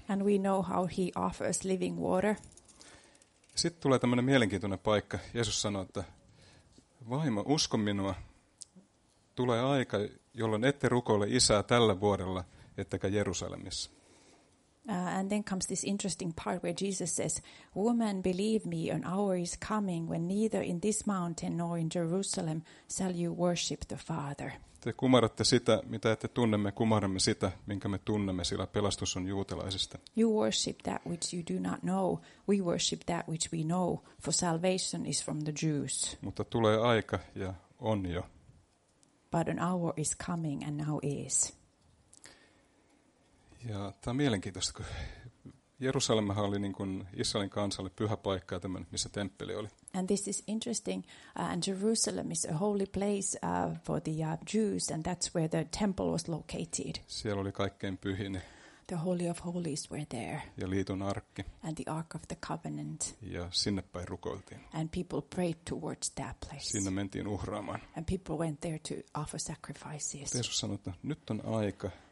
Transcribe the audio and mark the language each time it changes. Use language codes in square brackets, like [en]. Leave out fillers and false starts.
[en] And we know how he offers living water. [fi] Sitten tulee tämmöinen mielenkiintoinen paikka. Jeesus sanoo, että vaimo, usko minua. Tulee aika, jolloin ette rukoile isää tällä vuodella, ettekä Jerusalemissa. [en] And then comes this interesting part where Jesus says, "Woman, believe me, an hour is coming when neither in this mountain nor in Jerusalem shall you worship the Father." [fi] Te kumarratte sitä, mitä ette tunne, me kumarramme sitä, minkä me tunnemme, sillä pelastus on juutalaisista. [en] You worship that which you do not know. We worship that which we know, for salvation is from the Jews. [fi] Mutta tulee aika ja on jo. [en] But an hour is coming and now is. [fi] Ja tämä on mielenkiintoista, kun Jerusalemhan oli niin kuin Israelin kansalle pyhä paikka, tämmöinen, missä temppeli oli. [en] And this is interesting, and Jerusalem is a holy place for the Jews, and that's where the temple was located. [fi] Siellä oli kaikkein pyhin. [en] The Holy of Holies were there. [fi] Ja liiton arkki. [en] And the Ark of the Covenant. [fi] Ja sinne päin rukoiltiin. [en] And people prayed towards that place. [fi] Sinne mentiin uhraamaan. [en] And people went there to offer sacrifices. [fi] Jeesus sanoi, että nyt on aika.